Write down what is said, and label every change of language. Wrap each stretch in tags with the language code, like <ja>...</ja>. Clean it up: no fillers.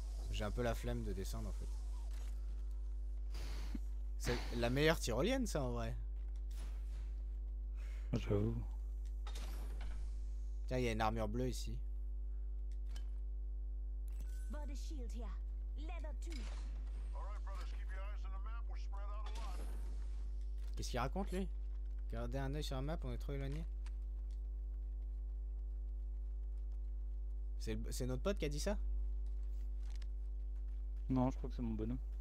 <fr>J'ai un peu la flemme de descendre en fait. C'est la meilleure tyrolienne ça en vrai. J'avoue. Tiens, il y a une armure bleue ici.</fr> <en>Body shield here. Leather too. Alright brothers, keep your eyes on the map, we're spread out a lot.</en> <fr>Qu'est-ce qu'il raconte lui? Gardez un œil sur la map, on est trop éloigné. C'est notre pote qui a dit ça? Non, je crois que c'est mon bonhomme.</fr>